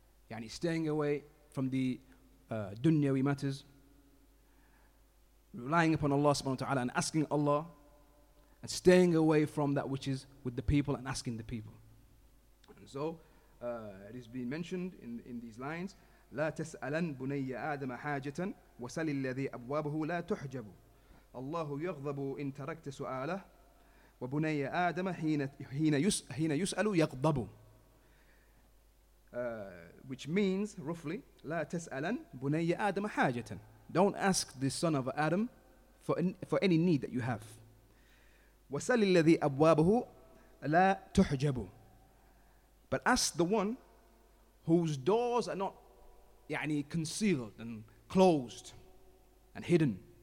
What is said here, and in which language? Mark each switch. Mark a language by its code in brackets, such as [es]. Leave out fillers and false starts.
[en] Yani, staying away from the dunyawi matters, relying upon Allah subhanahu wa ta'ala and asking Allah, and staying away from that which is with the people and asking the people. And so it has been mentioned in these lines, [ar] لا تسألن بني آدم حاجة وسل الذي أبوابه لا تحجب الله يغضب إن تركت سؤاله وبني آدم حين يسأل يغضب. [en] Which means roughly, [ar] لا تسألن بني آدم حاجة. [en] Don't ask the son of Adam for any need that you have. [ar] وسل الذي أبوابه لا تحجب. [en] But ask the one whose doors are not يعني concealed and closed and hidden.